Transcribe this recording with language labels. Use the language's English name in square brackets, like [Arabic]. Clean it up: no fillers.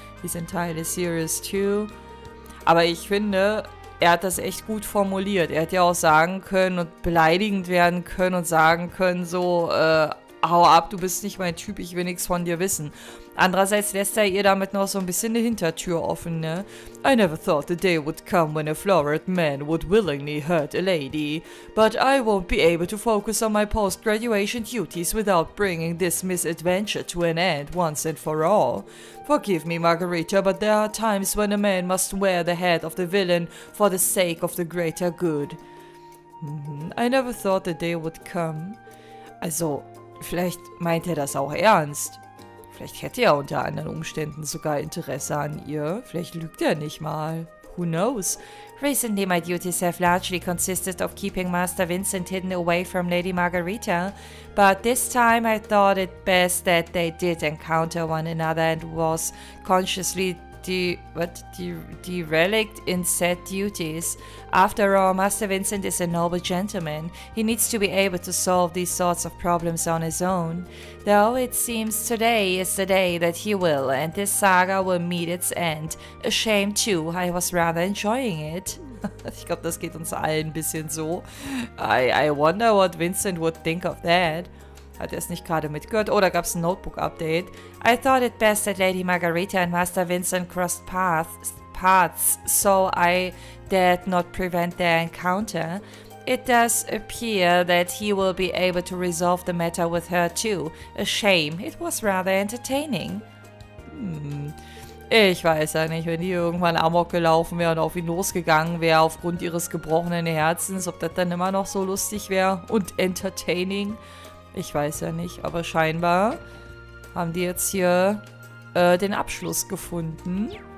[English] He's entirely serious too. [German] Aber ich finde, er hat das echt gut formuliert. Er hätte ja auch sagen können und beleidigend werden können und sagen können so, hau ab, du bist nicht mein Typ, ich will nichts von dir wissen. Andererseits lässt er ihr damit noch so ein bisschen eine Hintertür offen, ne? [English] I never thought the day would come when a florid man would willingly hurt a lady. But I won't be able to focus on my post-graduation duties without bringing this misadventure to an end once and for all. Forgive me, Margarita, but there are times when a man must wear the head of the villain for the sake of the greater good. I never thought the day would come. [German] Also, vielleicht meint er das auch ernst. Vielleicht hätte er unter anderen Umständen sogar Interesse an ihr. Vielleicht lügt er nicht mal. [English] who knows? Recently, my duties have largely consisted of keeping Master Vincent hidden away from Lady Margarita, but this time I thought it best that they did encounter one another and was consciously derelict in said duties. After all, Master Vincent is a noble gentleman. He needs to be able to solve these sorts of problems on his own. Though it seems today is the day that he will, and this saga will meet its end. A shame too, I was rather enjoying it. [German] Ich glaube, das geht uns allen ein bisschen so. [English] I wonder what Vincent would think of that. [German] Hat er es nicht gerade mitgehört? Oder gab es ein Notebook-Update? [English] I thought it best that Lady Margarita and Master Vincent crossed paths, so I dared not prevent their encounter. It does appear that he will be able to resolve the matter with her too. A shame. It was rather entertaining. [German] Ich weiß ja nicht, wenn die irgendwann amok gelaufen wäre und auf ihn losgegangen wäre aufgrund ihres gebrochenen Herzens, ob das dann immer noch so lustig wäre und entertaining. Ich weiß ja nicht, aber scheinbar haben die jetzt hier den Abschluss gefunden.